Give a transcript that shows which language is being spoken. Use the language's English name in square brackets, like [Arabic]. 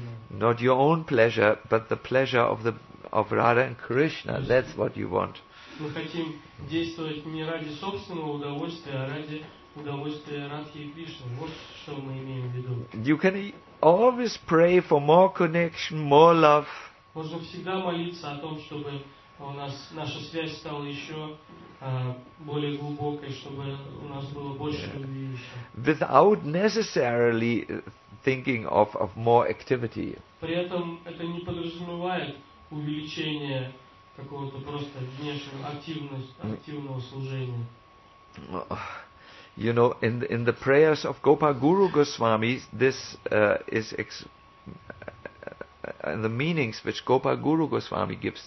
[English] Not your own pleasure, but the pleasure of Radha and Krishna. That's what you want. [Russian] Мы хотим действовать не ради собственного удовольствия, а ради удовольствие Радхи и Кришны. Вот что мы имеем в виду. [English] You can always pray for more connection, more love. [Russian] Можно всегда молиться о том, чтобы у нас наша связь стала еще более глубокой, чтобы у нас было больше любви еще. [English] Without necessarily thinking of more activity. [Russian] При этом это не подразумевает увеличение какого-то просто внешнего активного служения. [English] You know, in the prayers of Gopal Guru Goswami, this is the meanings which Gopal Guru Goswami gives.